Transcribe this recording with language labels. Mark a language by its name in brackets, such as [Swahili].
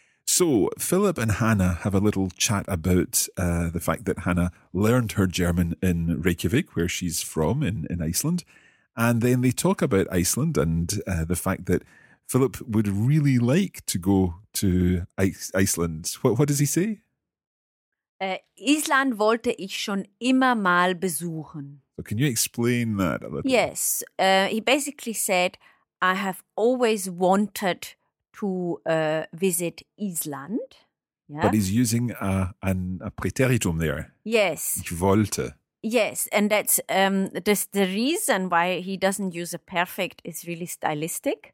[English] So Philip and Hannah have a little chat about the fact that Hannah learned her German in Reykjavik, where she's from in Iceland. And then they talk about Iceland and the fact that Philip would really like to go to Iceland. What does he say? [German] Island wollte ich schon immer mal besuchen. [English] So can you explain that a little? Yes. He basically said, I have always wanted to visit Island. Yeah? But he's using a preteritum there. Yes. [German] Ich wollte. [English] Yes. And that's the reason why he doesn't use a perfect is really stylistic.